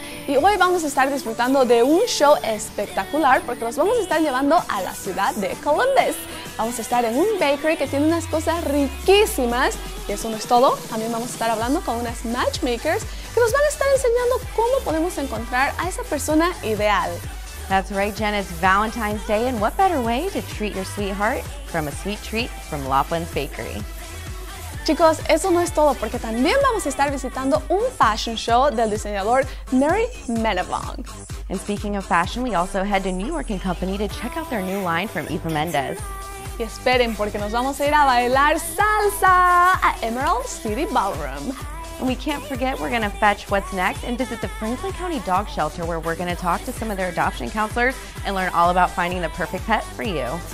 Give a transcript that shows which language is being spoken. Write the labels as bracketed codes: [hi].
[es] Y hoy vamos a estar disfrutando de un show espectacular porque los vamos a estar llevando a la ciudad de Columbus. Vamos a estar en un bakery que tiene unas cosas riquísimas. Y eso no es todo, también vamos a estar hablando con unas matchmakers que nos van a estar enseñando cómo podemos encontrar a esa persona ideal. [en] That's right, Jen, it's Valentine's Day, and what better way to treat your sweetheart from a sweet treat from Laughlin's Bakery. [es] Chicos, eso no es todo, porque también vamos a estar visitando un fashion show del diseñador Mary Menavong. [en] And speaking of fashion, we also head to New York & Company to check out their new line from Eva Mendez. [es] Y esperen, porque nos vamos a ir a bailar salsa at Emerald City Ballroom. [en] And we can't forget we're going to fetch what's next and visit the Franklin County Dog Shelter where we're going to talk to some of their adoption counselors and learn all about finding the perfect pet for you.